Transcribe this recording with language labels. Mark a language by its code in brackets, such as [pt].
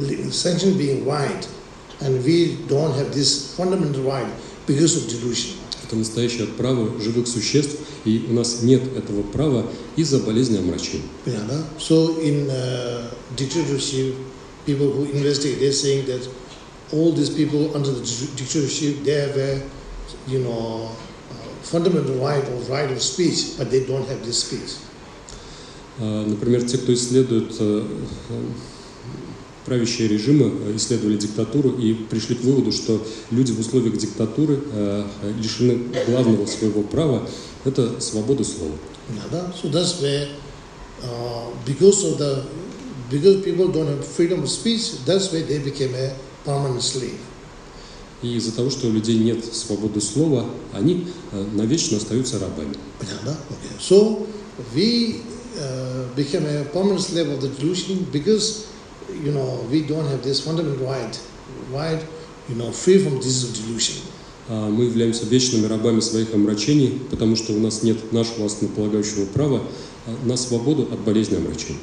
[en] Sentient being right, and we don't have this fundamental right because of delusion. [ru] Это настоящее право живых существ, и у нас нет этого права из-за болезни омрачений. Yeah, да? [en] So in dictatorship, people who investigate, they're saying that all these people under the dictatorship, they have a, you know, fundamental right of speech, but they don't have this speech. [ru] Например, те, кто исследует правящие режимы, исследовали диктатуру и пришли к выводу, что люди в условиях диктатуры лишены главного своего права – это свобода слова. [en] Да, so that's where, because people don't have freedom of speech, that's where they became a permanent slave. [ru] И из-за того, что у людей нет свободы слова, они навечно остаются рабами. Да, okay. [en] So we became a permanent slave of the delusion because, you know, we don't have this fundamental right, you know, free from disease of delusion. [ru] Мы являемся вечными рабами своих омрачений, потому что у нас нет нашего основополагающего права на свободу от болезни омрачений.